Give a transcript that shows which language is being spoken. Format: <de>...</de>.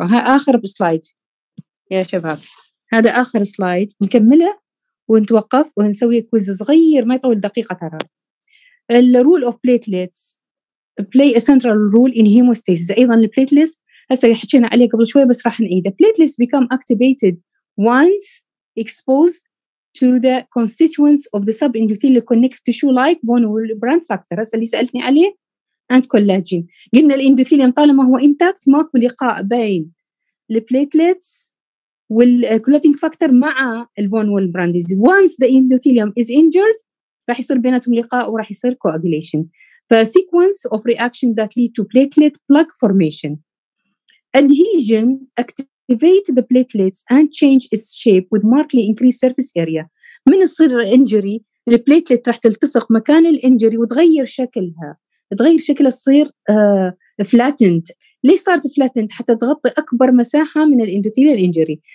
<ar>ها اخر سلايد يا شباب هذا اخر سلايد نكمله ونتوقف ونسوي كويز صغير ما يطول دقيقه.</ar> <en>ترى الرول of platelets play a central role in hemostasis.</en> <ar>أيضا البليتليس هسا حكينا عليه قبل شوي بس راح نعيده.</ar> <en>Platelets become activated once exposed to the constituents of the subendothelial connective tissue like von Willebrand factor.</en> <ar>هسا اللي سألتني عليه</ar> <en>and collagen.</en> <ar>قلنا الاندوثيليوم طالما هو intact ماكو لقاء بين البليتليتس والكولاجين فاكتور مع الفون والبراند.</ar> <en>Once the endothelium is injured</en> <ar>راح يصير بيناتهم لقاء وراح يصير</ar> <en>coagulation. The sequence of reaction that lead to platelet plaque formation. Adhesion activate the platelets and change its shape with markedly increased surface area.</en> <ar>من الصير injury البلاتلت راح تلتصق مكان الانجري وتغير شكلها. تغير شكلها تصير flattened. ليش صارت flattened؟ حتى تغطي أكبر مساحة من الاندوثيليال injury.</ar>